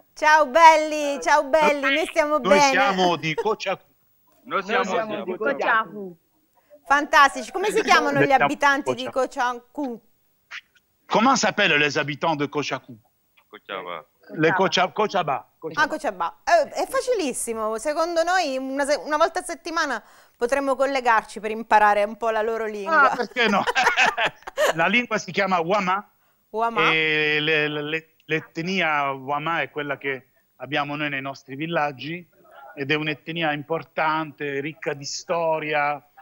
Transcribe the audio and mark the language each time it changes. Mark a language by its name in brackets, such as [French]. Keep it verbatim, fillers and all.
[Italian] Ciao belli, ciao belli, noi stiamo noi bene. Siamo di Kociaku. Noi siamo, noi siamo di Kociaku. Fantastici. Come si chiamano gli abitanti di Kociaku? [French] Comment s'appellent les habitants de Kociaku? [Italian] Kociaba. Le Kociaba. Kociaba. Ah, Kociaba. Eh, è facilissimo. Secondo noi una, se- una volta a settimana potremmo collegarci per imparare un po' la loro lingua. Ah, perché no? La lingua si chiama Wama. Wama. E le, le, l'etnia Wama è quella che abbiamo noi nei nostri villaggi ed è un'etnia importante, ricca di storia,